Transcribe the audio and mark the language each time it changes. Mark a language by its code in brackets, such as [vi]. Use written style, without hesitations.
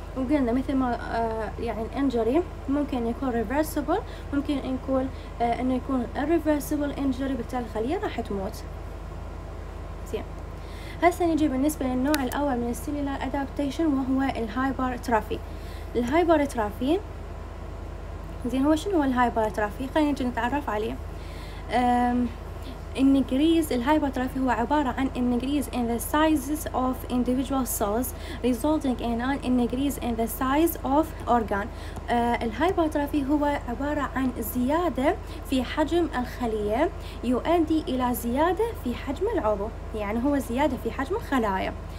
[ar] وقلنا مثل ما يعني الإنجري ممكن يكون ريفرسيبل، ممكن يكون إنه يكون ريفرسيبل إنجري بالتالي الخلية راح تموت. هسه نجي بالنسبة للنوع الأول من السيلولار أدابتيشن وهو الهايبرترافي. الهايبرترافي زين هو شنو هو الهايبرترافي؟ خلينا نجي نتعرف عليه. انكريز الهايبرترافي هو عبارة عن انكريز [en] in the sizes of individual cells resulting in an increase in the size of organ. [ar] الهايبرترافي هو عبارة عن زيادة في حجم الخلية يؤدي إلى زيادة في حجم العضو، يعني هو زيادة في حجم الخلايا.